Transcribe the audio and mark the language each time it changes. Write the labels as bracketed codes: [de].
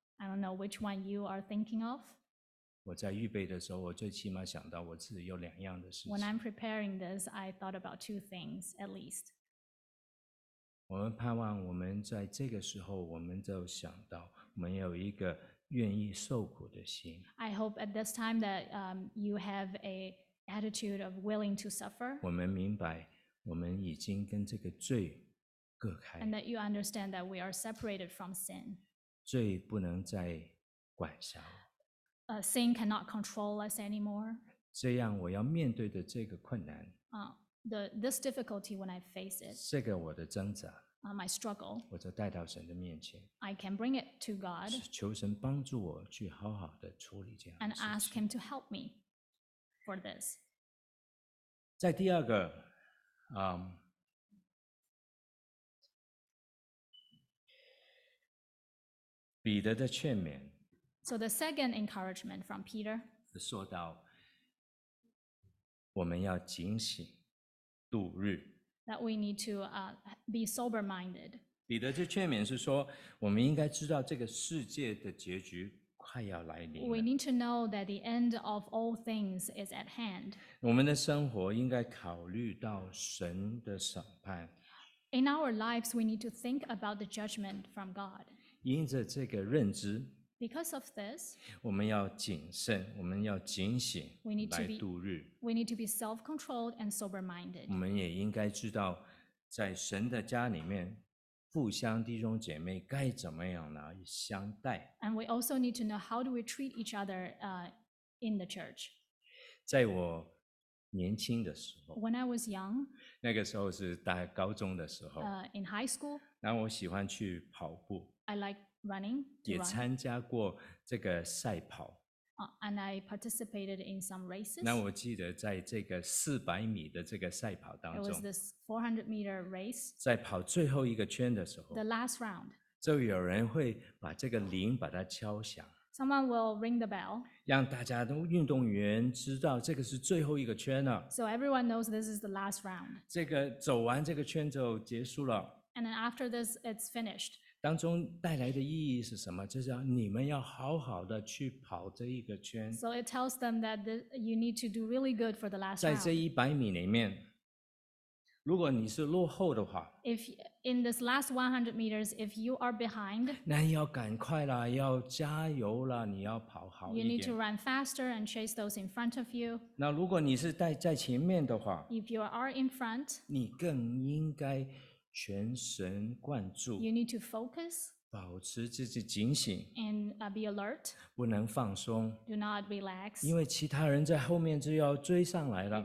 [en] I don't know which one you are thinking of. [zh] 我在预备的时候，我最起码想到我自己有两样的事情。 [en] When I'm preparing this, I thought about two things at least. [zh] 我们盼望我们在这个时候我们就想到我们有一个愿意受苦的心 [en] I hope at this time that you have an attitude of willing to suffer [zh] 我们明白我们已经跟这个罪隔开 [en] And that you understand that we are separated from sin [zh] 罪不能再管辖 [en] Sin cannot control us anymore [zh] 这样我要面对的这个困难、 [en] This difficulty when I face it, [zh] 这个我的挣扎 [en] my struggle, [zh] 我就带到神的面前 [en] I can bring it to God, [zh] 求神帮助我去好好的处理这样的 [en] and ask him to help me for this. [zh] 在第二个、彼得的劝勉 [en] So the second encouragement from Peter, [zh] 说到我们要警醒度日 [en] that we need to be sober-minded. [zh] 彼得就劝勉是说，我们应该知道这个世界的结局快要来临了。 [en] We need to know that the end of all things is at hand. [zh] 我们的生活应该考虑到神的审判。 [en] In our lives, we need to think about the judgment from God. [zh] 因着这个认知。 [en] Because of this, [zh] 我们要谨慎，我们要警醒来度日。 [en] We need to be self-controlled and sober-minded. [zh] 我们也应该知道，在神的家里面，互相弟兄姐妹该怎么样呢？相待。 [en] And we also need to know how do we treat each other, in the church. [zh] 在我年轻的时候 [en] ，When I was young， [zh] 那个时候是大概高中的时候 [en] ，In high school， [zh] 然后我喜欢去跑步 [en] ，I like running， [zh] 也参加过这个赛跑 [en] ，And I participated in some races。 [zh] 那我记得在这个400米的这个赛跑当中 [en] ，It was this 400 meter race， [zh] 在跑最后一个圈的时候 [en] ，The last round， [zh] 就有人会把这个铃把它敲响。 [en] Someone will ring the bell. [zh] 让大家都运动员知道这个是最后一个圈了。 [en] So everyone knows this is the last round. [zh] 这个走完这个圈就结束了。 [en] And then after this, it's finished. [zh] 当中带来的意义是什么？就是你们要好好的去跑这一个圈。 [en] So it tells them that you need to do really good for the last round. [zh] 在这一百米里面，如果你是落后的话 [en] ，If in this last 100 meters, if you are behind， [zh] 那要赶快啦，要加油啦，你要跑好一点。 [en] You need to run faster and chase those in front of you。 [zh] 那如果你是在前面的话 [en] ，If you are in front， [zh] 你更应该全神贯注。 [en] You need to focus， [zh] 保持自己警醒 [en] ，and be alert， [zh] 不能放松 [en] ，do not relax， [zh] 因为其他人在后面就要追上来了